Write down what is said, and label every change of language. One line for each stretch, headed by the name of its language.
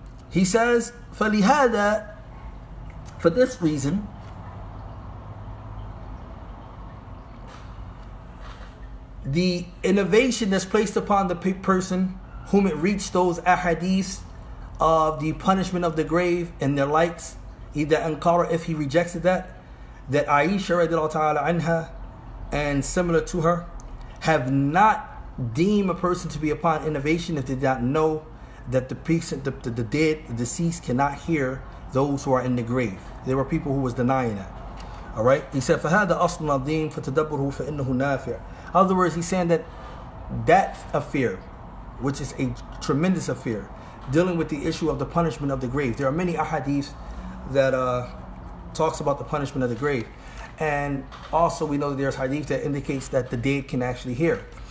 English: He says, فَلِهَذَا, for this reason, the innovation that's placed upon the person whom it reached those ahadith of the punishment of the grave and their likes, either Ankara, if he rejected that, that Aisha radiallahu ta'ala anha and similar to her have not deemed a person to be upon innovation if they did not know that the peace, the dead, the deceased cannot hear those who are in the grave. There were people who was denying that. All right, he said,
Arabic: فَهَذَا أَصْلٌ عَظِيمٌ فَتَدَبُّرْهُ فَإِنَّهُ نَافِعٌ.
English: In other words, he's saying that that affair, which is a tremendous affair, dealing with the issue of the punishment of the grave. There are many ahadiths that talks about the punishment of the grave. And also we know that there's hadith that indicates that the dead can actually hear.